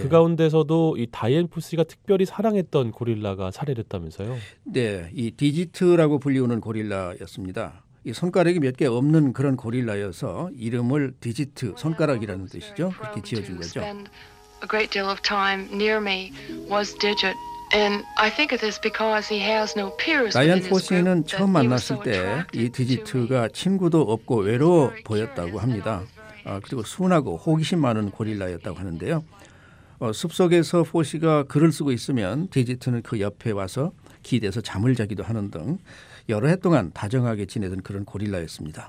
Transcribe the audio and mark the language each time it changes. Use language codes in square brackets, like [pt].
[ko] 그 가운데서도 이 다이앤 포시가 특별히 사랑했던 고릴라가 살해됐다면서요? 네. 이 디지트라고 불리우는 고릴라였습니다. 이 손가락이 몇 개 없는 그런 고릴라여서 이름을 디지트 손가락이라는 뜻이죠. 그렇게 지어준 거죠. [en] A great deal of time near me was Digit. And I think it is because he has no peers. [ko] 다이앤 포시는 처음 만났을 때 이 디지트가 친구도 없고 외로워 보였다고 합니다. 그리고 순하고 호기심 많은 고릴라였다고 하는데요. 숲속에서 포시가 글을 쓰고 있으면 디지트는 그 옆에 와서 기대서 잠을 자기도 하는 등 여러 해 동안 다정하게 지내던 그런 고릴라였습니다.